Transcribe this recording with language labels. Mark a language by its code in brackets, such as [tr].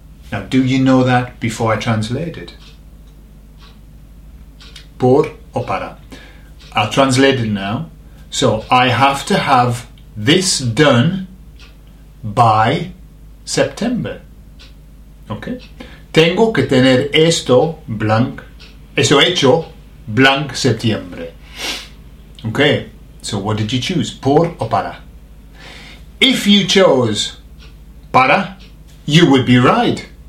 [en] Now, do you know that before I translate it? [es] Por o para? [en] I'll translate it now. So, I have to have this done by September. Okay? [es] Tengo que tener esto blank, eso hecho blank septiembre. [en] Okay? So, what did you choose? [es] Por o para? [en] If you chose para, you would be right.